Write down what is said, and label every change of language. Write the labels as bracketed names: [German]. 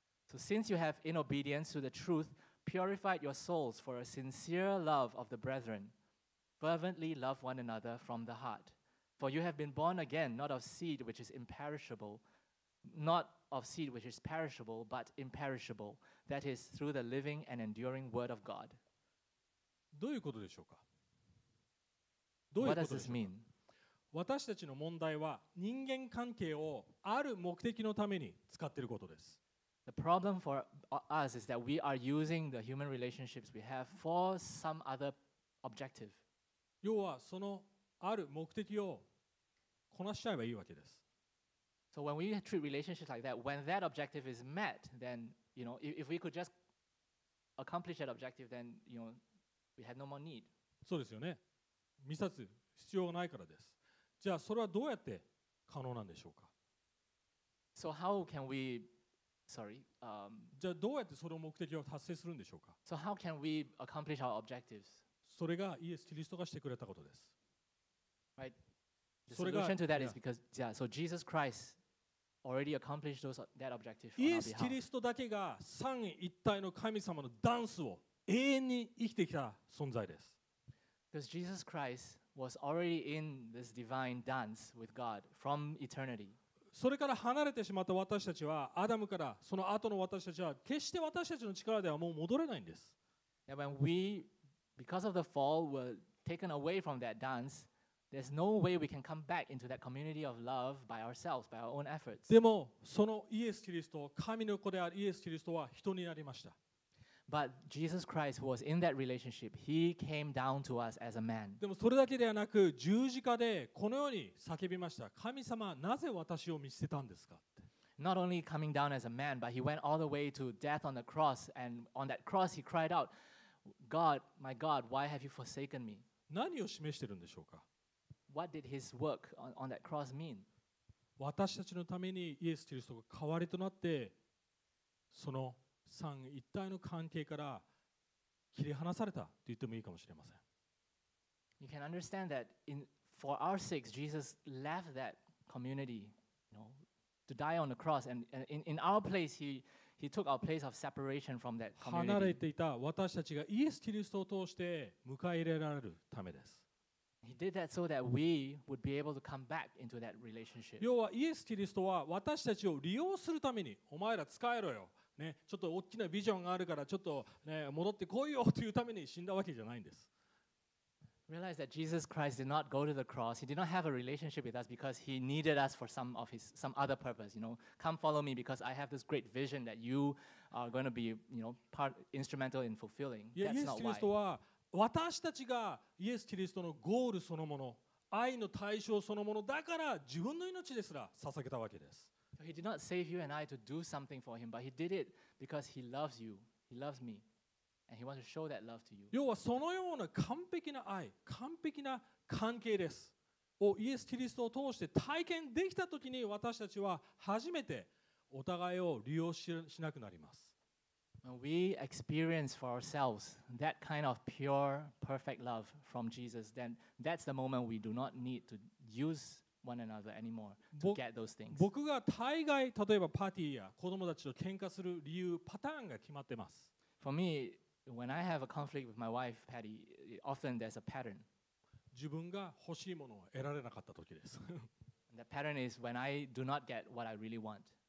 [English] So since you have in obedience to the truth purified your souls for a sincere love of the brethren,Fervently love one another from the heart. For you have been born again, not of seed which is imperishable, but imperishable, that is, through the living and enduring word of God. [Japanese] どういうことでしょうか? [English] What does this mean? [Japanese] 私たちの問題は人間関係をある目的のために使っていることです。 [English] The problem for us is that we are using the human relationships we have for some other objective. [Japanese] 要はそのある目的をこなしちゃえばいいわけです。 [English] So when we treat relationships like that, when that objective is met, then, you know, if we could just accomplish that objective, then, you know, we have no more need. [Japanese] そうですよね。見殺す必要がないからです。じゃあそれはどうやって可能なんでしょうか。 [English] So how can we, sorry, [Japanese] じゃあどうやってその目的を達成するんでしょうか。 [English] So how can we accomplish our objectives? [Japanese] それがイエス・キリストがしてくれたことです。 [English] Right. The solution to that is because, yeah, so Jesus Christ already accomplished those, that objective on our behalf. [Japanese] イエス・キリストだけが三位一体の神様のダンスを永遠に生きてきた存在です。 [English] Because Jesus Christ was already in this divine dance with God from eternity. [Japanese] それから離れてしまった私たちは、アダムからその後の私たちは、決して私たちの力ではもう戻れないんです。 [English] And when we, because of the fall, were taken away from that dance,There's no way we can come back into that community of love by ourselves, by our own efforts. [Japanese] でもそのイエス・キリスト、神の子であるイエス・キリストは人になりました。 [English] But Jesus Christ, who was in that relationship, he came down to us as a man. [Japanese] でもそれだけではなく、十字架でこのように叫びました。神様、なぜ私を見捨てたんですか？ [English] Not only coming down as a man, but he went all the way to death on the cross, and on that cross he cried out, God, my God, why have you forsaken me? [Japanese] 何を示してるんでしょうか？ [English] What did his work on that cross mean? [Japanese] 私たちのためにイエス・キリストが代わりとなってその三一体の関係から切り離されたと言ってもいいかもしれません。 [English] You can understand that for our sakes, Jesus left that community, you know, to die on the cross, and in our place, he took our place of separation from that community. [Japanese] 離れていた私たちがイエス・キリストを通して迎え入れられるためです。 [English] He did that so that we would be able to come back into that relationship. [Japanese] 要はイエス・キリストは私たちを利用するためにお前ら使えろよ、ね、ちょっと大きなビジョンがあるからちょっと、ね、戻ってこいよというために死んだわけじゃないんです。 [English] Realize that Jesus Christ did not go to the cross. He did not have a relationship with us because he needed us for some other purpose. You know, come follow me because I have this great vision that you are going to be, you know, part instrumental in fulfilling. That's not why. [Japanese] イエス・キリストは私たちがイエス・キリストのゴールそのもの、愛の対象そのもの、だから自分の命ですら捧げたわけです。 [English] He did not save you and I to do something for him, but he did it because he loves you, he loves me, and he wants to show that love to you. [Japanese] 要はそのような完璧な愛、完璧な関係です。をイエス・キリストを通して体験できたときに私たちは初めてお互いを利用しなくなります。 [English] When we experience for ourselves that kind of pure, perfect love from Jesus, then that's the moment we do not need to use one another anymore to get those things. [Japanese] 僕が大概例えばパーティーや子供たちと喧嘩する理由パターンが決まってます。 [English] For me, when I have a conflict with my wife, Patty, often there's a pattern. [Japanese] 自分が欲しいものを得られなかった時です。 [English] The pattern is when I do not get what I really want.